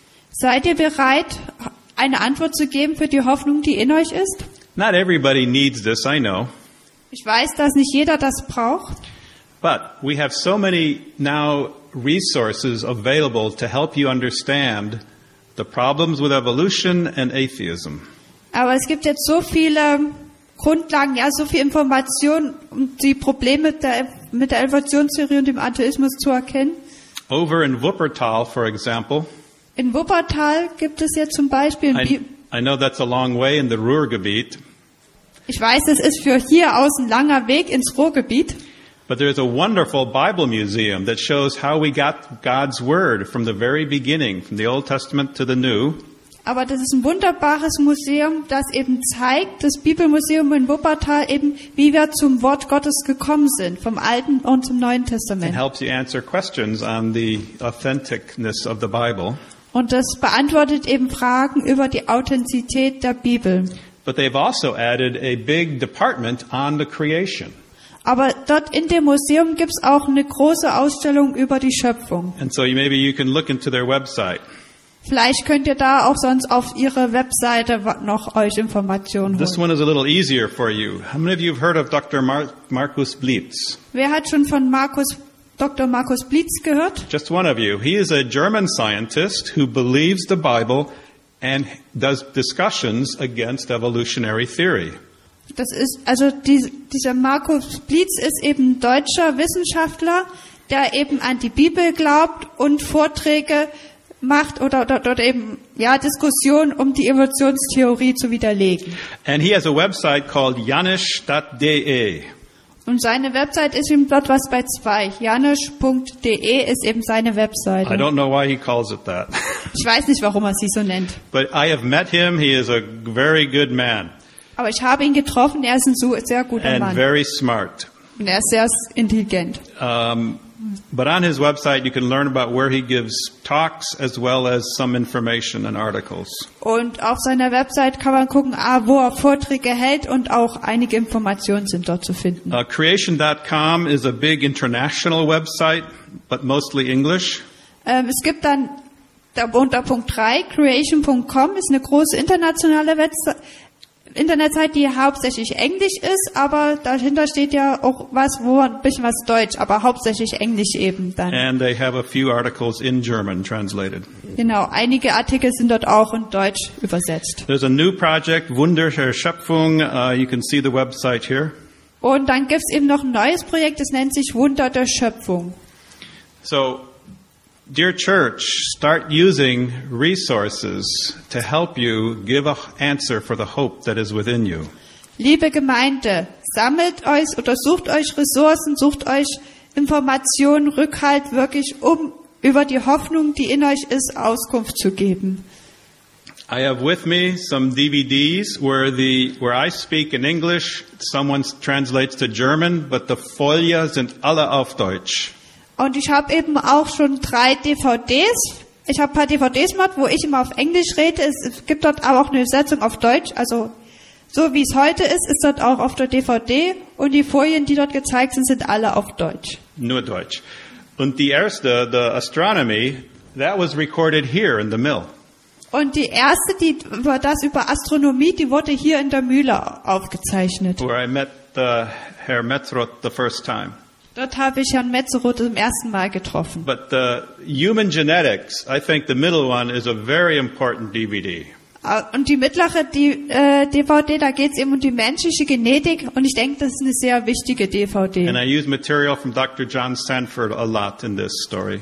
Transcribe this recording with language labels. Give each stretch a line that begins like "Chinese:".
German: Seid ihr bereit, eine Antwort zu geben für die Hoffnung, die in euch ist?
English: Not everybody needs this, I know.
German: Ich weiß, dass nicht jeder das braucht.
English: But we have so many now resources available to help you understand the problems with evolution and atheism.
German: Aber es gibt jetzt so viele Grundlagen, ja, so viel Information, um die Probleme mit der Evolutionstheorie und dem Atheismus zu erkennen.
English: Over in Wuppertal, for example.
German: In Wuppertal gibt es jetzt zum Beispiel.
English: I know that's a long way in the Ruhrgebiet.
German: Ich weiß, es ist für hier aus ein langer Weg ins Ruhrgebiet.
English: But there is a wonderful Bible museum that shows how we got God's word from the very beginning, from the Old Testament to the New.
German: Aber das ist ein wunderbares Museum, das eben zeigt, das Bibelmuseum in Wuppertal eben, wie wir zum Wort Gottes gekommen sind, vom Alten und zum Neuen Testament.
English: It helps you answer questions on the authenticness of the Bible.
German: Und das beantwortet eben Fragen über die Authentizität der Bibel.
English: But they've also added a big department on the creation.
German: Aber dort in dem Museum gibt's auch eine große Ausstellung über die Schöpfung.
English: And so maybe you can look into their website.
German: Vielleicht könnt ihr da auch sonst auf ihre Webseite noch euch Informationen holen.
English: This one is a little easier for you. How many of you have heard of Dr. Markus Blitz?
German: Wer hat schon von Dr. Markus Blitz gehört?
English: Just one of you. He is a German scientist who believes the Bible and does discussions against evolutionary theory.
German: Das ist also dieser Markus Blitz ist eben deutscher Wissenschaftler, der eben an die Bibel glaubt und Vorträge macht oder dort eben ja Diskussion um die Evolutionstheorie zu widerlegen.
English: And he has a website called janisch.de.
German: Und seine Website ist eben dort was bei zwei. Janisch.de ist eben seine Website.
English: I don't know why he calls it that.
German: Ich weiß nicht, warum er sie so nennt.
English: But I have met him. He is a very good man.
German: Aber ich habe ihn getroffen. Er ist ein sehr guter
English: and
German: Mann.
English: Very smart.
German: Und er ist sehr intelligent.
English: But on his website you can learn about where he gives talks as well as some information and articles.
German: Und auf seiner Website kann man gucken, wo er Vorträge hält und auch einige Informationen sind dort zu finden.
English: Creation.com is a big international website, but mostly English.
German: Es gibt dann da unter Punkt 3, creation.com ist eine große internationale Internetseite, die hauptsächlich Englisch ist, aber dahinter steht ja auch was, wo ein bisschen was Deutsch, aber hauptsächlich Englisch eben dann.
English: And they have a few articles in German translated.
German: Genau, einige Artikel sind dort auch in Deutsch übersetzt.
English: There's a new project, Wunderscher Schöpfung, you can see the website here.
German: Und dann gibt's eben noch ein neues Projekt, das nennt sich Wunder der Schöpfung.
English: So, dear church, start using resources to help you give a answer for the hope that is within you.
German: Liebe Gemeinde, sammelt euch oder sucht euch Ressourcen, sucht euch Informationen, Rückhalt wirklich, um über die Hoffnung, die in euch ist, Auskunft zu geben.
English: I have with me some DVDs where I speak in English, someone translates to German, but the
German: Folien sind alle auf Deutsch. Und ich habe eben auch schon drei DVDs, Ich habe ein paar DVDs gemacht, wo ich immer auf Englisch rede. Es gibt dort aber auch eine Übersetzung auf Deutsch. Also so wie es heute ist, ist dort auch auf der DVD. Und die Folien, die dort gezeigt sind, sind alle auf Deutsch. Nur Deutsch. Und die erste,
English: the astronomy, that was recorded here in the mill.
German: Und die erste, die war das über Astronomie, die wurde hier in der Mühle aufgezeichnet.
English: Where I met the Herr Metzroth the first time.
German: Dort habe ich Herrn Metzroth zum ersten Mal getroffen.
English: But the human genetics, I think the middle one is a very important DVD.
German: Und die mittlere DVD, da geht es eben um die menschliche Genetik, und ich denke, das ist eine sehr wichtige DVD.
English: And I use material from Dr. John Sanford a lot in this story.